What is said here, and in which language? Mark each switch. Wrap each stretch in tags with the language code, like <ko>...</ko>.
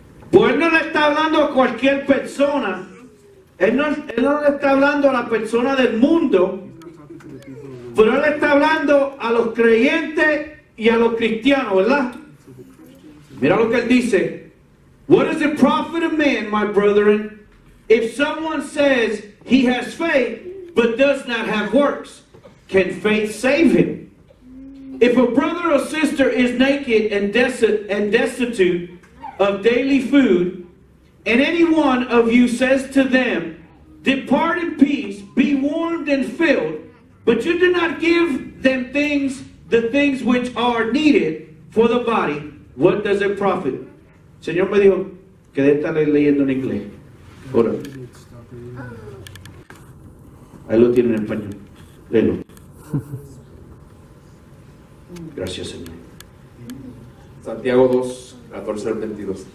<es>Pues no le está hablando a cualquier persona. Él no le está hablando a la persona del mundo. Pero él está hablando a los creyentes y a los cristianos, ¿verdad? Mira lo que él dice.</es> <en>What does it profit a man, my brethren, if someone says he has faith but does not have works? Can faith save him? If a brother or sister is naked and destitute of daily food, and any one of you says to them, depart in peace, be warmed and filled, but you do not give them the things which are needed for the body, what does it profit?</en> <es>Señor me dijo que debe estar leyendo en inglés. Ahora. Ahí lo tiene en español. Léelo. Gracias, Señor. Santiago 2, 14 al 22.</es>